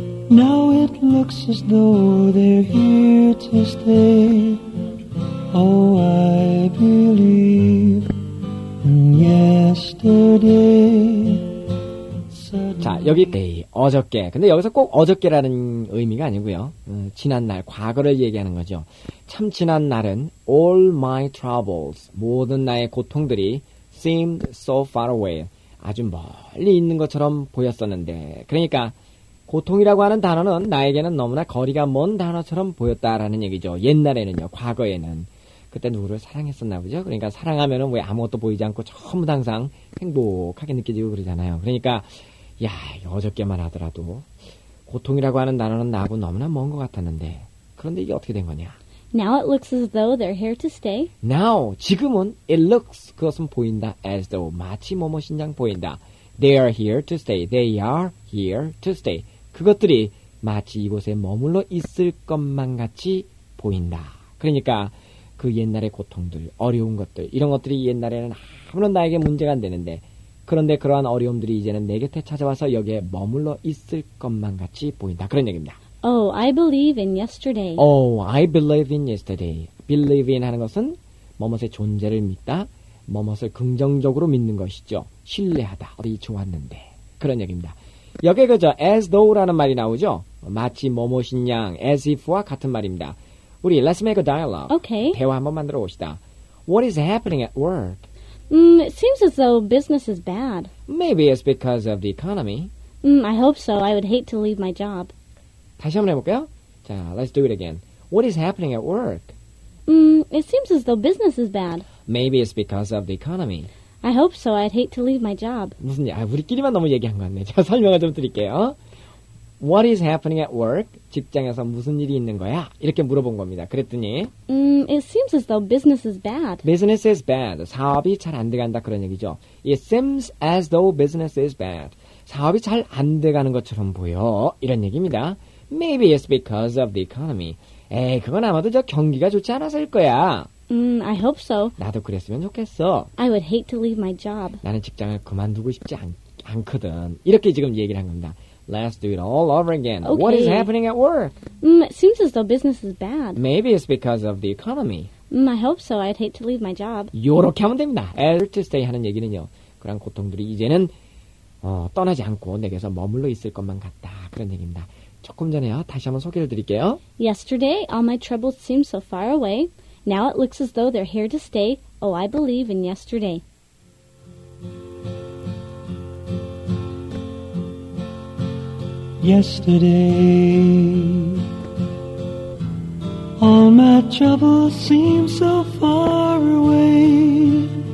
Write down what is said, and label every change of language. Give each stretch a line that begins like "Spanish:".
English: Now it looks as though they're here to stay. Oh, I believe in yesterday. Suddenly,
Korean: 자, 여기 어저께. 근데 여기서 꼭 어저께라는 의미가 아니고요. 지난 날, 과거를 얘기하는 거죠. 참 지난 날은
English: all my troubles,
Korean: 모든 나의 고통들이
English: seemed so far away,
Korean: 아주 멀리 있는 것처럼 보였었는데. 그러니까 고통이라고 하는 단어는 나에게는 너무나 거리가 먼 단어처럼 보였다라는 얘기죠. 옛날에는요, 과거에는. 그때 누구를 사랑했었나 보죠? 그러니까 사랑하면 왜 아무것도 보이지 않고 전부 항상 행복하게 느껴지고 그러잖아요. 그러니까 야, 어저께만 하더라도 고통이라고 하는 단어는 나하고 너무나 먼 것 같았는데 그런데 이게 어떻게 된 거냐?
English: Now it looks as though they're here to stay.
Korean: Now, 지금은
English: it looks,
Korean: 그것은 보인다,
English: as though,
Korean: 마치 뭐뭐신장 보인다.
English: They are here to stay. They are here to stay.
Korean: 그것들이 마치 이곳에 머물러 있을 것만 같이 보인다. 그러니까 그 옛날의 고통들, 어려운 것들, 이런 것들이 옛날에는 아무런 나에게 문제가 안 되는데 그런데 그러한 어려움들이 이제는 내 곁에 찾아와서 여기에 머물러 있을 것만 같이 보인다. 그런 얘기입니다.
English: Oh, I believe in yesterday. Oh, I believe in yesterday.
Korean: Believe in 하는 것은 뭐뭇의 존재를 믿다, 뭐뭇을 긍정적으로 믿는 것이죠. 신뢰하다, 어디 좋았는데. 그런 얘기입니다. 여기에 그저 as though라는 말이 나오죠. 마치 뭐뭇인 양, as if와 같은 말입니다. 우리
English: let's make a dialogue. Okay.
Korean: 대화 한번 만들어 봅시다.
English: What is happening at work? It seems as though business is bad. Maybe it's because of the economy. I hope so. I would hate to leave my job.
Korean: 다시 한번 해볼까요? 자,
English: let's do it again. What is happening at work? It seems as though business is bad. Maybe it's because of the economy. I hope so. I'd hate to leave my job.
Korean: 무슨 얘기야? 우리끼리만 너무 얘기한 것 같네. 자, 설명을 좀 드릴게요.
English: What is happening at work?
Korean: 직장에서 무슨 일이 있는 거야? 이렇게 물어본 겁니다. 그랬더니
English: It seems as though business is bad. Business is bad.
Korean: 사업이 잘 안 돼간다 그런 얘기죠.
English: It seems as though business is bad.
Korean: 사업이 잘 안 돼가는 것처럼 보여. 이런 얘기입니다.
English: Maybe it's because of the economy.
Korean: 에이, 그건 아마도 저 경기가 좋지 않아서일 거야.
English: I hope so.
Korean: 나도 그랬으면 좋겠어.
English: I would hate to leave my job.
Korean: 나는 직장을 그만두고 싶지 않거든. 이렇게 지금 얘기를 한 겁니다.
English: Let's do it all over again. Okay. What is happening at work? It seems as though business is bad. Maybe it's because of the economy. I hope so. I'd hate to leave my job.
Korean: 요렇게 하면 됩니다.
English: As to stay 하는 얘기는요.
Korean: 그런 고통들이 이제는 떠나지 않고 내게서 머물러 있을 것만 같다. 그런 얘기입니다. 조금 전에요. 다시 한번 소개를 드릴게요.
English: Yesterday, all my troubles seemed so far away. Now it looks as though they're here to stay. Oh, I believe in yesterday. Yesterday, all my troubles seemed so far away.